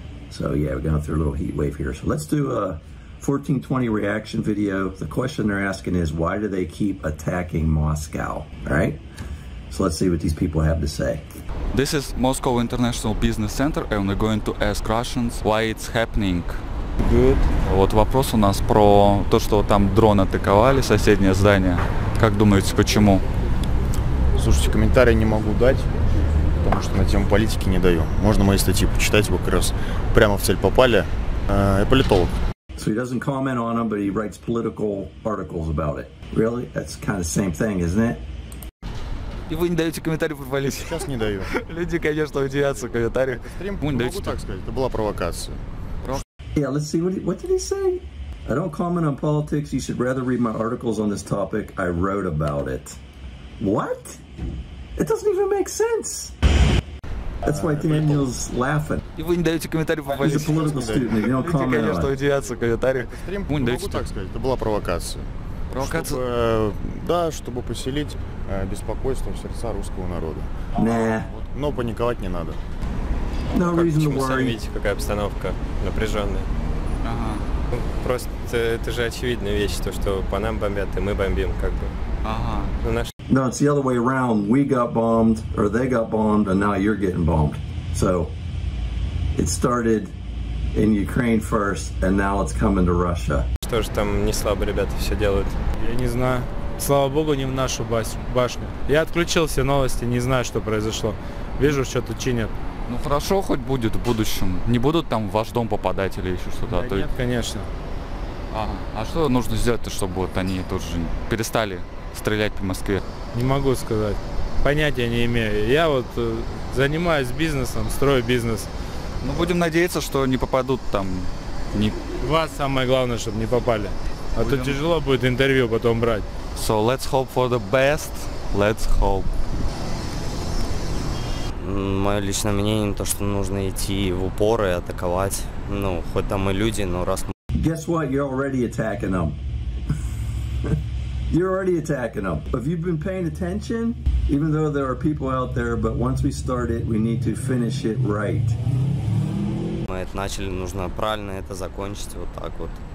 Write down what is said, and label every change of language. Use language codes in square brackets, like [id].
[en] So yeah, we're going through a little heat wave here. So let's do a 1420 reaction video. The question they're asking is, why do they keep attacking Moscow? All right, so let's see what these people have to say. This is Moscow International Business Center, and we're going to ask Russians why it's happening. Good. [ru] Вот вопрос у нас про то, что там дрон атаковали соседнее здание. Как думаете, почему? Слушайте, комментарий не могу дать, потому что на тему политики не даю. Можно мои статьи почитать, вы как раз прямо в цель попали. Я политолог. [en] So he doesn't comment on them, but he writes political articles about it. Really? That's kind of the same thing, isn't it? [ru] И вы не даете комментарий про политику? Сейчас не даю. Люди, конечно, удивятся в комментариях. Могу так сказать, это была провокация. [en] Yeah, let's see, what did he say? I don't comment on politics, you should rather read my articles on this topic, I wrote about it. What? It doesn't even make sense! That's why Daniel's laughing. [ru] И вы не даете комментарий по политике. [en] He's a political student, if you don't comment on it. [ru] Конечно, удивятся в комментариях. Могу так сказать, это была провокация. Провокация? Чтобы поселить беспокойство в сердца русского народа. [en] Nah. [ru] Но паниковать не надо. [en] No reason to worry. [ru] Видите, какая обстановка напряженная. Ага. Просто это же очевидная вещь, то, что по нам бомбят, и мы бомбим, как бы. Ага. [en] No, it's the other way around. We got bombed, or they got bombed, and now you're getting bombed. So, it started in Ukraine first, and now it's coming to Russia. [ru] Что же там не слабо ребята все делают? Я не знаю. Слава богу, не в нашу башню. Я отключил все новости, не знаю, что произошло. Вижу, что-то чинят. Ну хорошо, хоть будет в будущем. Не будут там в ваш дом попадать или еще что-то? Да, нет, конечно. А что нужно сделать-то, чтобы вот они тут же перестали стрелять по Москве? Не могу сказать. Понятия не имею. Я вот занимаюсь бизнесом, строю бизнес. Ну будем надеяться, что не попадут там. Не... Вас самое главное, чтобы не попали. А будем... то тяжело будет интервью потом брать. [en] So let's hope for the best. Let's hope. [ru] Мое личное мнение, то, что нужно идти в упор и атаковать. Ну, хоть там и люди, но раз... [en] Guess what? You're already attacking them. You're already attacking them. Have you been paying attention? Even though there are people out there, but once we start it, we need to finish it right. [ru] Мы это начали, нужно правильно это закончить, вот так вот.